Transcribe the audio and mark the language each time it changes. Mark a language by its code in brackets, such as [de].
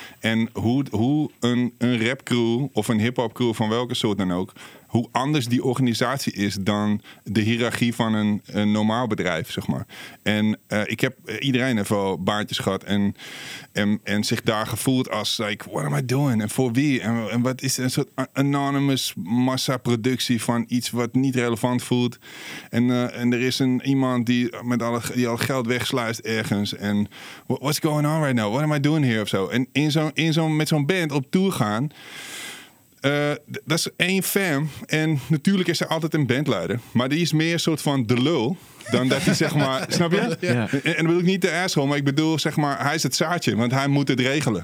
[nl] En hoe een rap crew of een hip-hop crew van welke soort dan ook, hoe anders die organisatie is dan de hiërarchie van een normaal bedrijf, zeg maar. En ik heb iedereen heeft wel baantjes gehad en zich daar gevoeld als, [en] like, what am I doing? [nl] En voor wie? En wat is een soort anonymous massaproductie van iets wat niet relevant voelt? En er is iemand die al geld wegsluist ergens. [en] En what's going on right now? What am I doing here? [nl] Of zo. En met zo'n band op tour gaan, dat is één fan. En natuurlijk is er altijd een bandleider. Maar die is meer een soort van de lul dan dat hij, zeg maar, snap je? Ja. En dan bedoel ik niet de asshole, maar ik bedoel, zeg maar, hij is het zaadje, want hij moet het regelen.